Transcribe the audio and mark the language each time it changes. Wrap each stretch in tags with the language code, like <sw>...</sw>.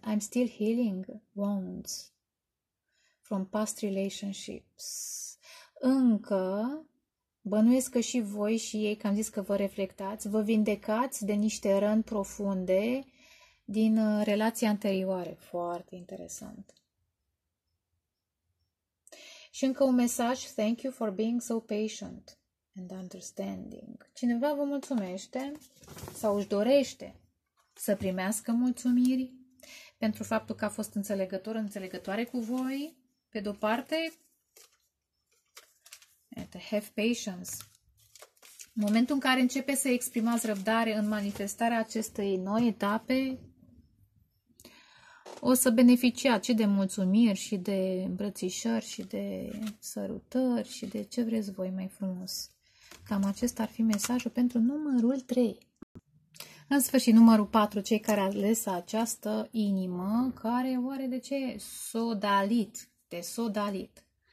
<en>I'm still healing wounds from past relationships.</en> <ro>Încă bănuiesc că și voi și ei, că am zis că vă reflectați, vă vindecați de niște răni profunde din relații anterioare. Foarte interesant. Și încă un mesaj.</ro> <en>Thank you for being so patient and understanding.</en> <ro>Cineva vă mulțumește sau își dorește să primească mulțumiri pentru faptul că a fost înțelegător, înțelegătoare cu voi. Pe de-o parte,</ro> <en>have patience.</en> <ro>În momentul în care începe să exprimați răbdare în manifestarea acestei noi etape, o să beneficiați și de mulțumiri și de îmbrățișări și de sărutări și de ce vreți voi mai frumos. Cam acesta ar fi mesajul pentru numărul 3. În sfârșit, numărul 4, cei care au ales această inimă, care oare de ce sodalit, de sodalit.</ro>